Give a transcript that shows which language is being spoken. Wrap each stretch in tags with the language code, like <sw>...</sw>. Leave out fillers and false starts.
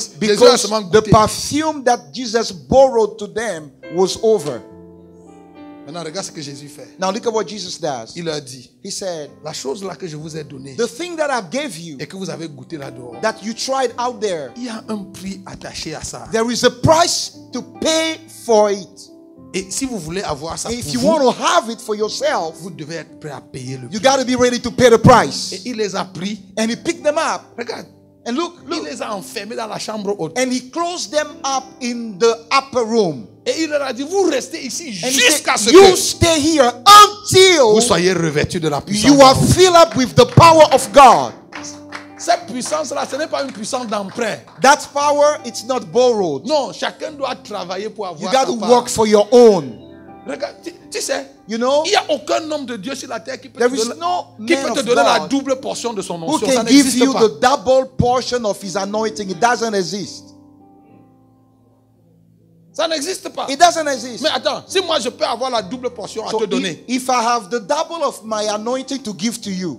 <en>because the perfume that Jesus borrowed to them was over.</en> <fr>Maintenant, regarde ce que Jésus fait.</fr> <en>Now look at what Jesus does.</en> <fr>Il leur dit.</fr> <en>He said,</en> <fr>la chose là que je vous ai donnée,</fr> <en>the thing that I gave you,</en> <fr>et que vous avez goûté là-dedans,</fr> <en>that you tried out there,</en> <fr>il y a un prix attaché à ça.</fr> <en>There is a price to pay for it.</en> <fr>Et si vous voulez avoir ça,</fr> <en>and if</en> <fr>pour</fr> <en>you</en> <fr>vous,</fr> <en>want to have it for yourself,</en> <fr>vous devez être prêt à payer le</fr> <en>you</en> <fr>prix.</fr> <en>You got to be ready to pay the price.</en> <fr>Et il les a pris,</fr> <en>and he picked them up.</en> <fr>Regarde,</fr> <en>And look, look.</en> <fr>Il les a enfermés dans la chambre haute.</fr> <en>And he closed them up in the upper room.</en> <fr>Et il leur a dit, vous restez ici jusqu'à ce que</fr> <en>you stay here until</en> <fr>vous soyez revêtus de la puissance.</fr> <en>You are filled up with the power of God.</en> <fr>Cette puissance-là, ce n'est pas une puissance d'emprunt.</fr> <en>That power, it's not borrowed.</en> <fr>Non, chacun doit travailler pour avoir.</fr> <en>You got to work for your own.</en> <fr>Regarde, tu sais,</fr> <en>you know,</en> <fr>il y a aucun homme de Dieu sur la terre qui peut te donner, la double portion de son onction.</fr> <en>Who can give you the double portion of his anointing? It doesn't exist.</en> <fr>Ça n'existe pas.</fr> <en>It doesn't exist.</en> <fr>Mais attends, si moi je peux avoir la double portion à te donner.</fr> <en>If I have the double of my anointing to give to you.</en>